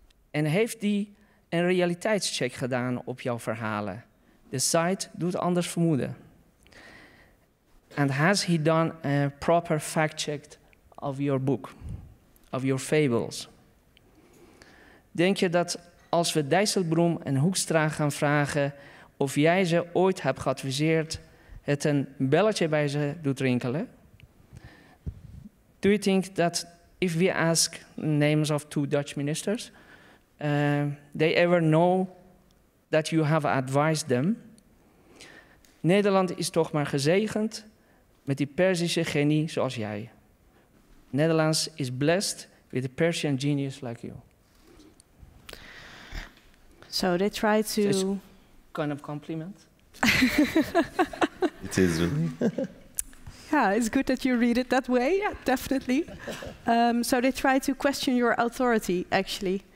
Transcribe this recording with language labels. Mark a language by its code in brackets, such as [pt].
[nl] En heeft die een realiteitscheck gedaan op jouw verhalen? De site doet anders vermoeden. [en] And has he done a proper fact-check of your book, of your fables? [nl] Denk je dat als we Dijsselbloem en Hoekstra gaan vragen of jij ze ooit hebt geadviseerd, het een belletje bij ze doet rinkelen? [en] Do you think that if we ask names of two Dutch ministers, they ever know that you have advised them? [nl] Nederland is toch maar gezegend met die Persische genie zoals jij. [en] Netherlands is blessed with a Persian genius like you. So they try to... It's kind of compliment. It is really. Yeah, it's good that you read it that way, yeah, definitely. So they try to question your authority, actually.